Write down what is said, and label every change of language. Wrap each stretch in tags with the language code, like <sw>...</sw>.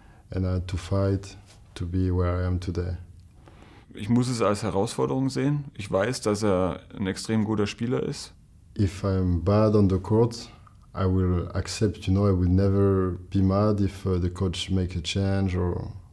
<en>And I had to fight to be where I am today.</en> <de>Ich muss es als Herausforderung sehen. Ich weiß, dass er ein extrem guter Spieler ist.</de> <en>If I'm bad on the court, I will accept, you know, I will never be mad if the coach make a change or...</en>